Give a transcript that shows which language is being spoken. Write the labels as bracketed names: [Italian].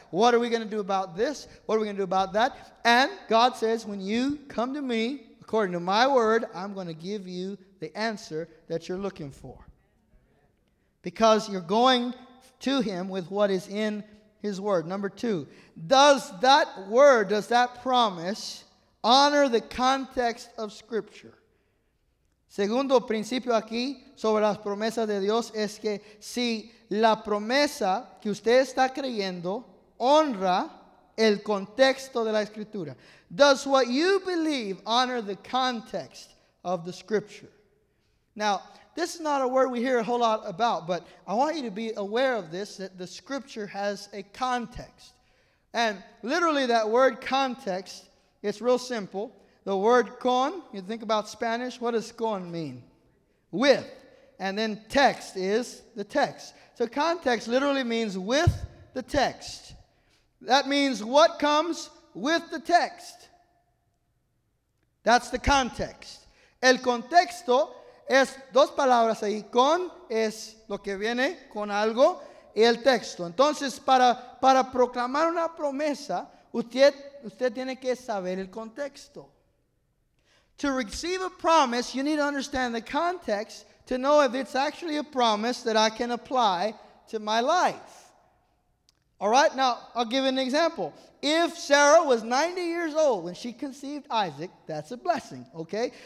[English] What are we going to do about this? What are we going to do about that? And God says, when you come to me, according to my word, I'm going to give you the answer that you're looking for. Because you're going to him with what is in his word. Number two, does that promise honor the context of Scripture? Segundo principio aquí sobre las promesas de Dios es que si la promesa que usted está creyendo honra el contexto de la Escritura. Does what you believe honor the context of the Scripture? Now, this is not a word we hear a whole lot about, but I want you to be aware of this, that the Scripture has a context. And literally that word context, it's real simple. The word con, you think about Spanish, what does con mean? With. And then text is the text. So context literally means with the text. That means what comes with the text. That's the context. [Spanish] El contexto es dos palabras ahí. Con es lo que viene con algo. Y el texto. Entonces, para proclamar una promesa, usted tiene que saber el contexto. [English] To receive a promise, you need to understand the context to know if it's actually a promise that I can apply to my life. All right, now I'll give an example. If Sarah was 90 years old when she conceived Isaac, that's a blessing, okay?